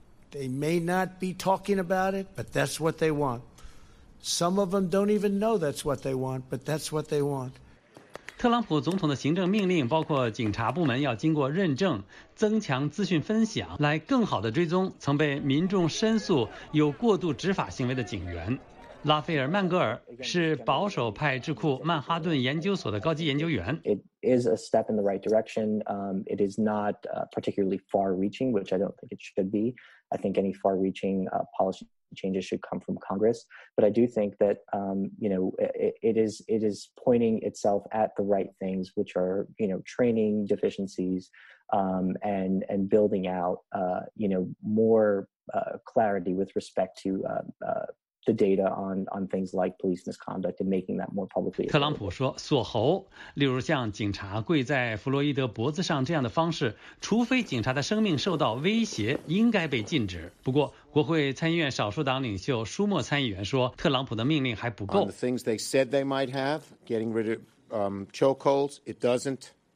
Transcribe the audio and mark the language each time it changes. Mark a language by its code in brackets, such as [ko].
[en] They may not be talking about it, but that's what they want. Some of them don't even know that's what they want, but that's what they want. [zh] 特朗普总统的行政命令包括警察部门要经过认证，增强资讯分享，来更好地追踪曾被民众申诉有过度执法行为的警员。拉斐尔·曼戈尔是保守派智库曼哈顿研究所的高级研究员。 [en] It is a step in the right direction. It is not particularly far-reaching, which I don't think it should be. I think any far-reaching policy changes should come from Congress, but I do think that it is pointing itself at the right things, which are training deficiencies and building out more clarity with respect to the data on things like police misconduct and making that more publicly available. [zh] 特朗普说，锁喉，例如像警察跪在弗洛伊德脖子上这样的方式，除非警察的生命受到威胁，应该被禁止。不过，国会参议院少数党领袖舒默参议员说，特朗普的命令还不够。 [en] On the things they said they might have, getting rid of chokeholds, it doesn't.